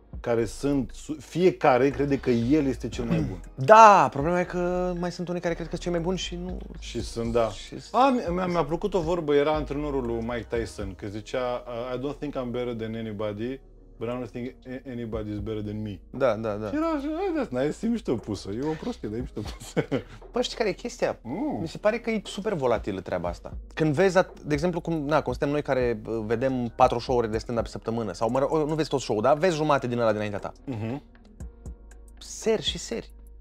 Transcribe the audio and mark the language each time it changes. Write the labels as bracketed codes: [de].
[ro] Care sunt, fiecare crede că el este cel mai bun. Da, problema e că mai sunt unii care cred că sunt cel mai bun și nu... Și sunt, da. Mi-a plăcut o vorbă, era antrenorul lui Mike Tyson, că zicea, [en] I don't think I'm better than anybody, but I don't think anybody is better than me. [ro] Da, da, da. Și era așa, e mișto pusă. E o prostie, dar e mișto pusă. Păi, știi care e chestia? Mi se pare că e super volatilă treaba asta. Când vezi, de exemplu, cum suntem noi care vedem 4 show-uri de stand-up pe săptămână, sau nu vezi tot show-ul, dar vezi jumate din ăla dinaintea ta. Uh-huh. Seri și seri.